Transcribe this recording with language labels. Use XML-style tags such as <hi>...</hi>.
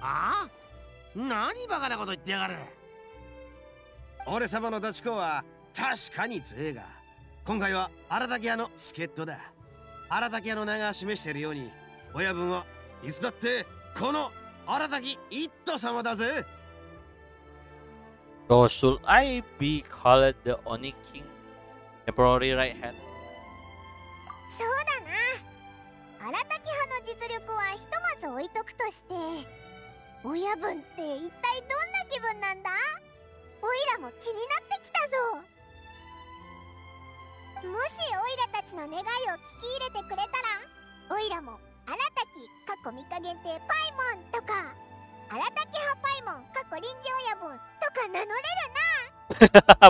<ja>ああ、何バカなこと言ってやがる。俺様のダチコは確かに強いが、今回は荒滝派の助っ人だ。荒滝派の名が示しているように、親分はいつだってこの荒滝一途様だぜ。</ja> <en>So should I be called the Oni King's temporary right hand?</en> <ja>そうだな。荒滝派の実力はひとまず置いとくとして、親分って一体どんな気分なんだ？オイラも気になってきたぞ。もしオイラたちの願いを聞き入れてくれたら、オイラも荒滝かっこ三日限定パイモンとか、荒滝派パイモンかっこ臨時親分とか名乗れるな。</ja>